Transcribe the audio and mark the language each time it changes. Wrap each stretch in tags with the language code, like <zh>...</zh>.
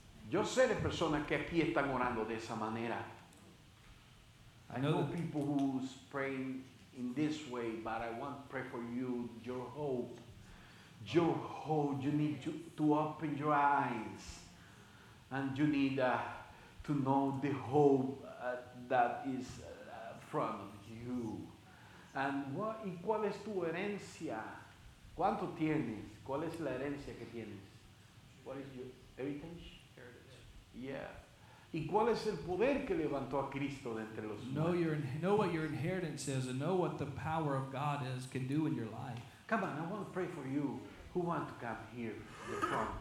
<es>Yo sé de personas que aquí están orando de esa manera.</es> <en>I know people who's praying in this way, but I want to pray for you, your hope. Your hope, you need to open your eyes. And you need to know the hope that is in front of you. And what,</en> <es>¿y cuál es tu herencia? ¿Cuánto tienes? ¿Cuál es la herencia que tienes?</es> <en>What is your heritage?</en> <es>Yeah. ¿Y cuál es el poder que levantó a Cristo de entre los muertos?</es> <en>Know what your inheritance is and know what the power of God is can do in your life. Come on, I want to pray for you who want to come here to the front.</en>